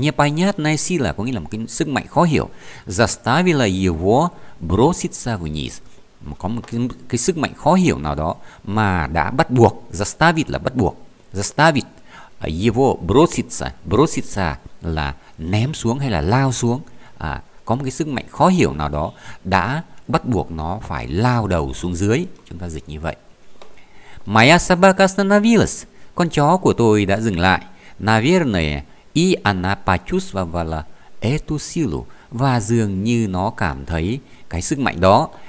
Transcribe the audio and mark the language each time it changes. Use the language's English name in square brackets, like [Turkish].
[Russian] Непонятная сила [Vietnamese] có nghĩa là một cái sức mạnh khó hiểu. [Russian] Заставила его броситься вниз, [Vietnamese] có một cái sức mạnh khó hiểu nào đó mà đã bắt buộc. Заставит là bắt buộc. [Russian] Заставит его броситься. [Vietnamese] Броситься là ném xuống hay là lao xuống. Có một cái sức mạnh khó hiểu nào đó đã bắt buộc nó phải lao đầu xuống dưới. Chúng ta dịch như vậy. [Russian] Моя собака остановилась. [Vietnamese] Con chó của tôi đã dừng lại. [Russian] Наверное, и она почувствовала эту силу. [Vietnamese] Và dường như nó cảm thấy cái sức mạnh đó.